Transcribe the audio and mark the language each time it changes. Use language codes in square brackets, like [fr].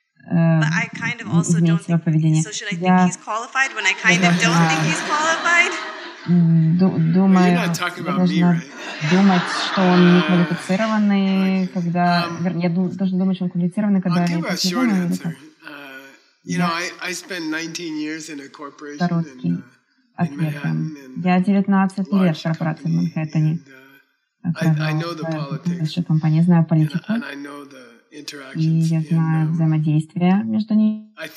[en] But I kind of also don't think, so should I think he's qualified when I kind of don't think he's qualified? [ru] Думаю, [en] well, you're not talking about me, right? [ru] Думать, что он не квалифицированный, когда... Вернее, я должен думать, что он квалифицированный, когда... [en] I'll give a short answer. You know, I spent 19 years in a corporation in Manhattan. [ru] Я 19 лет в корпорации в Манхэттене. [en] I know the politics. [ru] Я знаю политику. [en] And I know the... [ru] И я знаю взаимодействие между ними.